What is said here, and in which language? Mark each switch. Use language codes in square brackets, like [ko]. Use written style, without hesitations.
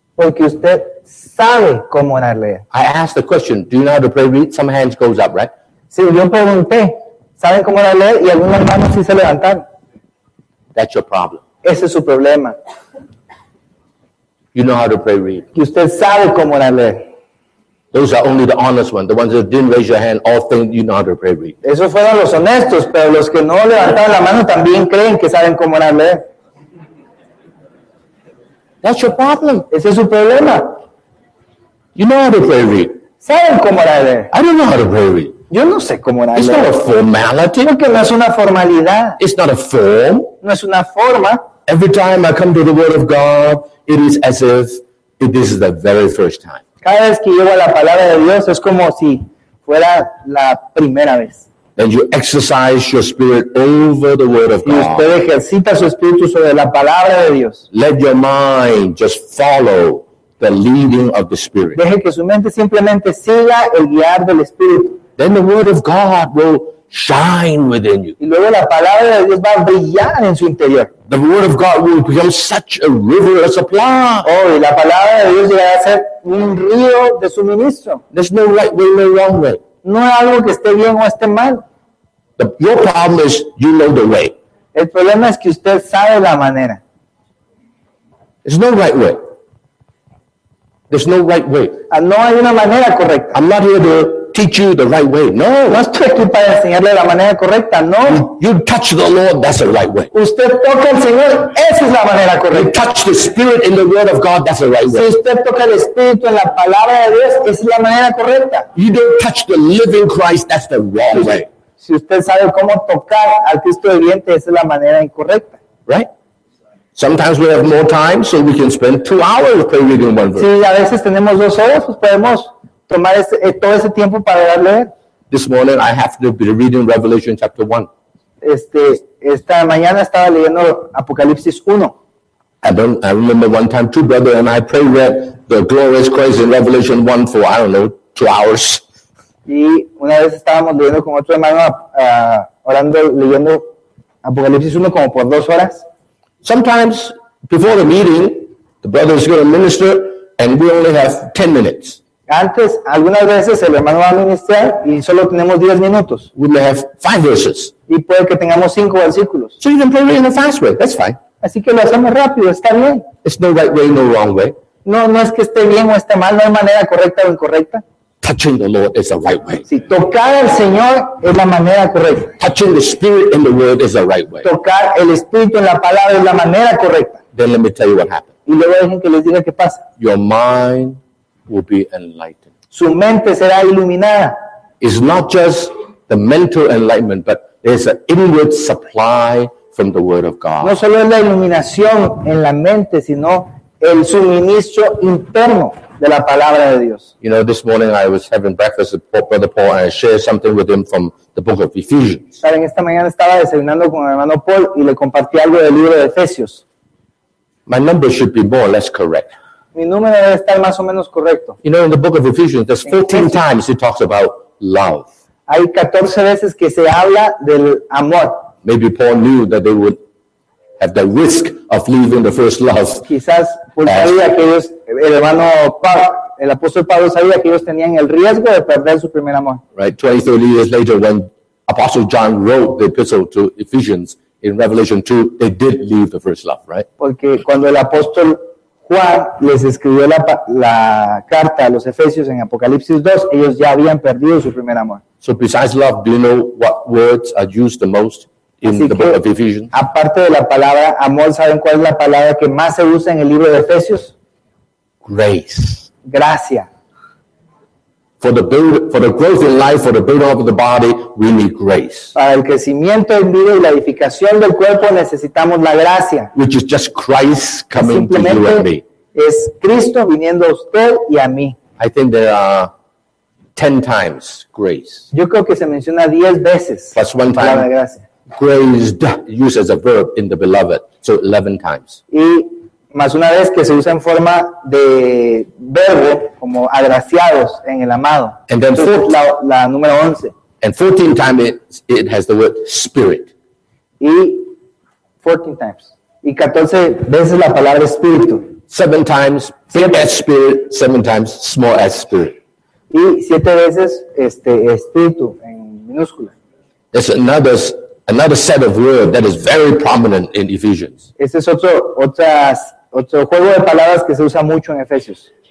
[es] Porque usted sabe cómo orar leer. [en] I asked the question, do you know how to pray read? Some hands goes up, right? [es] Sí, yo pregunté, ¿saben cómo orar leer? Y algunas manos sí se levantaron. [en] That's your problem. [es] Ese es su problema. [en] You know how to pray read. [es] Y usted sabe cómo orar leer. [en] Those are only the honest ones. The ones that didn't raise your hand all think you know how to pray read. [es] Esos fueron los honestos, pero los que no levantaron la mano también creen que saben cómo orar leer. [en] That's your problem. [es] Ese es su problema. [en] You know how to pray read. [es] ¿Saben cómo orar leer? [en] I don't know how to pray read. [es] Yo no sé cómo orar. [en] It's not a formality. [es] Porque no es una formalidad. [en] It's not a form. [es] No es una forma. [en] Every time I come to the word of God, it is as if this is the very first time. [es] Cada vez que llego a la palabra de Dios, es como si fuera la primera vez. [en] And you exercise your spirit over the word of God. [es] Y usted ejercita su espíritu sobre la palabra de Dios. [en] Let your mind just follow the leading of the spirit. [es] Deje que su mente simplemente siga el guiar del espíritu. [en] Then the word of God will shine within you. [es] Y luego la palabra de Dios va a brillar en su interior. [en] The word of God will become such a river, a supply. [es] Oh, y la palabra de Dios va a ser un río de suministro. [en] There's no right way, no wrong way. [es] No es algo que esté bien o esté mal. [en] Your problem is you know the way. [es] El problema es que usted sabe la manera. [en] There's no right way. There's no right way. [es] No hay una manera correcta. [en] I'm not here to teach you the right way. [es] No. No estoy aquí para enseñarle la manera correcta. No. [en] You touch the Lord, that's the right way. [es] Usted toca al Señor, esa es la manera correcta. [en] You touch the Spirit in the Word of God, that's the right way. [es] Si usted toca el Espíritu en la Palabra de Dios, esa es la manera correcta. [en] You don't touch the living Christ, that's the wrong way. [es] Si usted sabe cómo tocar al Cristo viviente, esa es la manera incorrecta. [en] Right? Sometimes we have more time, so we can spend 2 hours reading one verse. [es] Sí, a veces tenemos 2 horas, pues podemos tomar todo ese tiempo para leer. [en] This morning I have to be reading Revelation chapter 1. [es] Esta mañana estaba leyendo Apocalipsis 1. [en] I remember one time two brothers and I prayed read the glorious Christ in Revelation 1 for, I don't know, 2 hours. [es] Y una vez estábamos leyendo con otro hermano, orando, leyendo Apocalipsis 1 como por 2 horas. [en] Sometimes before the meeting, the brother is going to minister and we only have 10 minutes. [es] Antes, algunas veces el hermano va a ministrar y solo tenemos 10 minutos. [en] We may have 5 verses. [es] Y puede que tengamos 5 versículos. [en] So you can pray in a fast way. That's fine. [es] Así que lo hacemos rápido, está bien. [en] It's no right way, no wrong way. [es] No, no es que esté bien o esté mal, no hay manera correcta o incorrecta. [en] Touching the Lord is the right way. [es] Sí, tocar al Señor es la manera correcta. [en] Touching the Spirit in the Word is the right way. [es] Tocar el Espíritu en la palabra es la manera correcta. [en] Then let me tell you what happened. [es] Y luego dejen que les diga qué pasa. [en] Your mind will be enlightened. [es] Su mente será iluminada. [en] It's not just the mental enlightenment, but there's an inward supply from the Word of God. [es] No solo es la iluminación en la mente, sino el suministro interno de la palabra de Dios. [en] You know, this morning I was having breakfast with Brother Paul and I shared something with him from the book of Ephesians. [es] ¿Saben? Esta mañana estaba desayunando con el hermano Paul y le compartí algo del libro de Efesios. [en] My number should be more or less correct. [es] Mi número debe estar más o menos correcto. [en] You know, in the book of Ephesians, there's 14 times it talks about love. [es] Hay 14 veces que se habla del amor. [en] Maybe Paul knew that they would have the risk of losing the first love. [es] Quizás Paul sabía que ellos, el hermano Pablo, el apóstol Pablo sabía que ellos tenían el riesgo de perder su primer amor. [en] Right, 20, 30 years later, when Apostle John wrote the epistle to Ephesians in Revelation 2, they did leave the first love, right? [es] Porque cuando el apóstol Juan les escribió la carta a los Efesios en Apocalipsis 2, ellos ya habían perdido su primer amor. [en] So besides love, do you know what words are used the most in [es] Así [en] the book of Ephesians? [es] Aparte de la palabra amor, ¿saben cuál es la palabra que más se usa en el libro de Efesios? [en] Grace. [es] Gracia. [en] For the build, for the growth in life, for the building of the body, we need grace. [es] Para el crecimiento en vida y la edificación del cuerpo necesitamos la gracia. [en] Which is just Christ coming to you and me. [es] Es Cristo viniendo a usted y a mí. [en] I think there are 10 times grace. [es] Yo creo que se menciona 10 veces. [en] Plus one time. Grace used as a verb in the beloved, so 11 times. [es] Y más una vez que se usa en forma de verbo, como agraciados en el amado. [en] And then [es] entonces, la número 11. [en] And 14 times it has the word spirit. [es] Y 14 times. Y 14 veces la palabra espíritu. [en] 7 times big as spirit, 7 times small as spirit. [es] Y 7 veces espíritu en minúscula. [en] There's another set of words that is very prominent in Ephesians. [es] Este es otro juego de palabras que se usa mucho en Efesios.